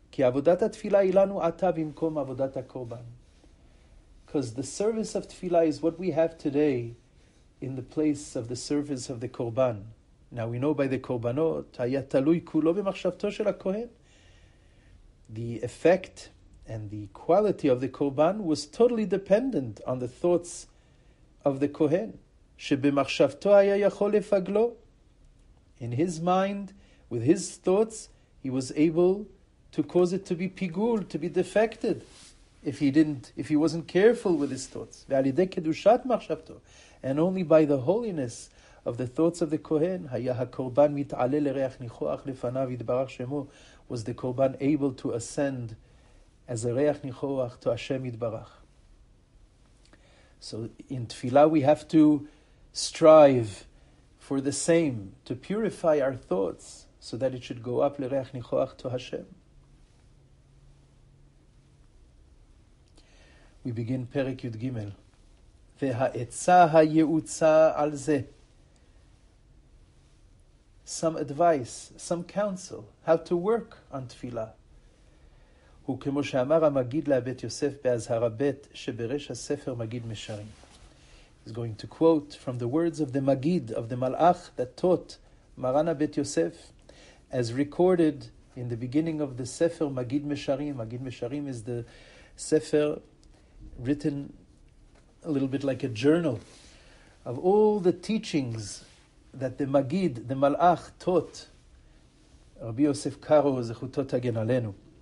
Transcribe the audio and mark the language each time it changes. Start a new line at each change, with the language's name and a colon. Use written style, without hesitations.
English: Ki avodat ha-tefillah ilanu ata bimkom avodat ha-korban. Because the service of tefillah is what we have today in the place of the service of the korban. Now we know by the korbanot, hayat talui kulo b'machshavto shel ha-kohen. The effect and the quality of the korban was totally dependent on the thoughts of the kohen.
Hebrew: שבמחשבתו היה יכול לפגלו.
English: In his mind, with his thoughts, he was able to cause it to be pigul, to be defected, if he wasn't careful with his thoughts. ועל ידי קדושת מחשבתו, and only by the holiness of the thoughts of the Kohen, היה הקורבן מתעלה לריח ניחוח לפניו, יתברך שמו, was the Korban able to ascend as a ריח ניחוח to Hashem יתברך. So in tefillah we have to strive for the same, to purify our thoughts so that it should go up l'reach nichoach to Hashem. We begin Perek Yud Gimel. Ve'ha'etza ha'ye'utza al ze. Some advice, some counsel, how to work on tefillah.
Hebrew: הוא כמו שאמר המגיד לבית יוסף באזהרה בית שברש הספר מגיד משרים.
English: is going to quote from the words of the Magid, of the Malach, that taught Maran HaBet Yosef, as recorded in the beginning of the Sefer Magid Mesharim. Magid Mesharim is the Sefer written a little bit like a journal of all the teachings that the Magid, the Malach, taught Rabbi Yosef Karo, Zechuto Tagen Alenu.